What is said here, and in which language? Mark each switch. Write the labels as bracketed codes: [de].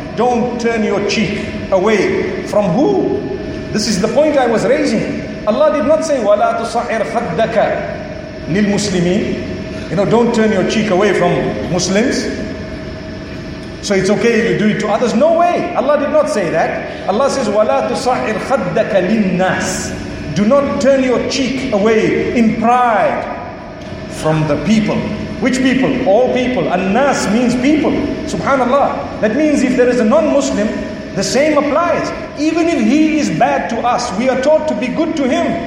[en] Don't turn your cheek away from who? This is the point I was raising. Allah did not say, [ar] وَلَا تُصَعِرْ خَدَّكَ لِلْمُسْلِمِينَ. [en] You know, don't turn your cheek away from Muslims, so it's okay if you do it to others. No way. Allah did not say that. Allah says, [ar] وَلَا تُصَعِرْ خَدَّكَ لِلنَّاسِ. [en] Do not turn your cheek away in pride from the people. Which people? All people. An-nas means people. Subhanallah. That means if there is a non-Muslim, the same applies. Even if he is bad to us, we are taught to be good to him.